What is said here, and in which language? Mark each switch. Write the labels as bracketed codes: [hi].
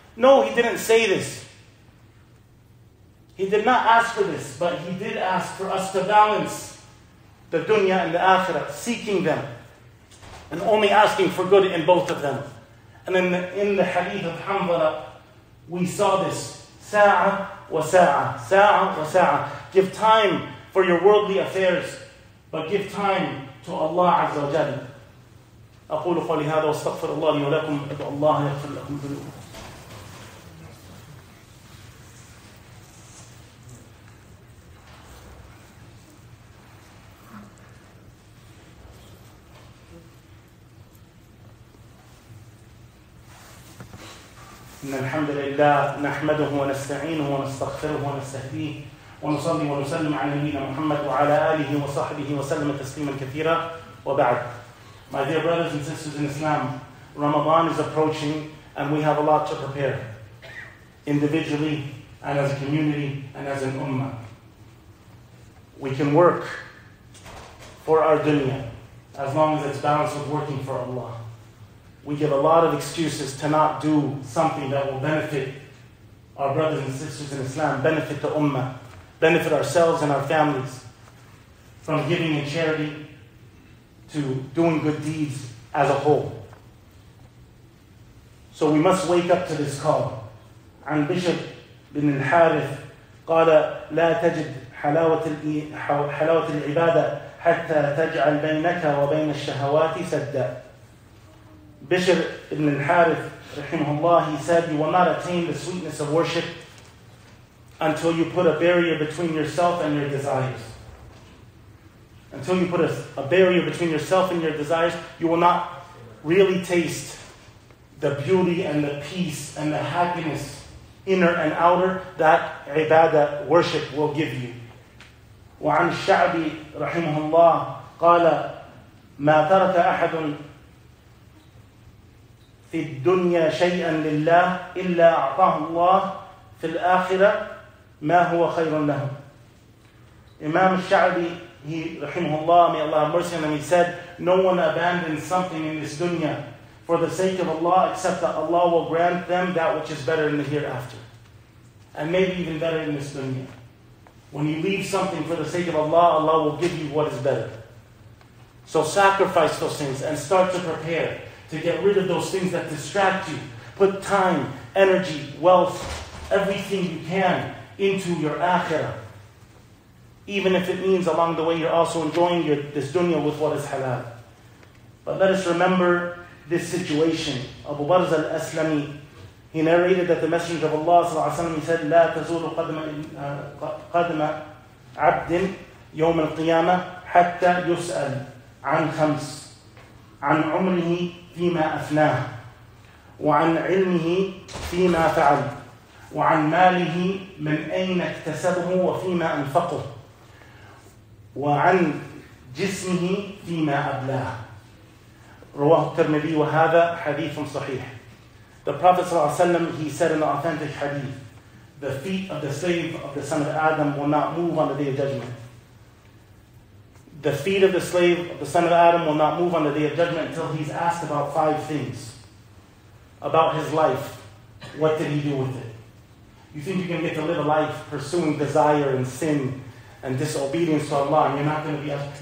[en] No, He didn't say this. He did not ask for this, but He did ask for us to balance the dunya and the akhirah, seeking them, and only asking for good in both of them. And then in the hadith of Hanbala, we saw this. [ar] Sa'a wa sa'a. Sa'a wa sa'a. [en] Give time for your worldly affairs, but give time to Allah Azza wa Jalla. [ar] أقول قولي هذا واستغفر الله لي ولكم أدعو الله يغفر لكم ذنوبكم. إن الحمد لله نحمده ونستعينه ونستغفره ونستهديه ونصلي ونسلم على نبينا محمد وعلى آله وصحبه وسلم تسليما كثيرا وبعد. [en] My dear brothers and sisters in Islam, Ramadan is approaching and we have a lot to prepare, individually and as a community and as an ummah. We can work for our dunya as long as it's balanced with working for Allah. We give a lot of excuses to not do something that will benefit our brothers and sisters in Islam, benefit the ummah, benefit ourselves and our families, from giving in charity to doing good deeds as a whole. So we must wake up to this call. [ar] عن بشر بن الحارث قال لا تجد حلاوة العبادة حتى تجعل بينك وبين الشهوات سدا. بشر بن الحارث رحمه الله, [en] he said, you will not attain the sweetness of worship until you put a barrier between yourself and your desires. Until you put a barrier between yourself and your desires, you will not really taste the beauty and the peace and the happiness, inner and outer, that ibadah, worship, will give you. [ar] وعن الشعبي رحمه الله قال ما ترك أحد في الدنيا شيئا لله إلا أعطاه الله في الآخرة ما هو خير له. [en] Imam الشعبي, he, rahimahullah, may Allah have mercy on him, he said, no one abandons something in this dunya for the sake of Allah, except that Allah will grant them that which is better in the hereafter. And maybe even better in this dunya. When you leave something for the sake of Allah, Allah will give you what is better. So sacrifice those things and start to prepare to get rid of those things that distract you. Put time, energy, wealth, everything you can into your akhirah. Even if it means along the way you're also enjoying this dunya with what is halal. But let us remember this situation. Abu Barz al-Aslami, he narrated that the Messenger of Allah صلى الله عليه وسلم, he said, [ar] لا تزول قدم عبد يوم القيامة حتى يسأل عن خمس, عن عمره فيما أفناه, وعن علمه فيما فعل, وعن ماله من أين اكتسبه وفيما أنفقه, وعن جسمه فيما أبلاه. رواه الترمذي وهذا حديث صحيح. [en] The Prophet [ar] صلى الله عليه وسلم, [en] he said in the authentic hadith, the feet of the slave of the son of Adam will not move on the day of judgment. The feet of the slave of the son of Adam will not move on the day of judgment until he's asked about five things. About his life. What did he do with it? You think you can get to live a life pursuing desire and sin and disobedience to Allah, and you're not going to be asked?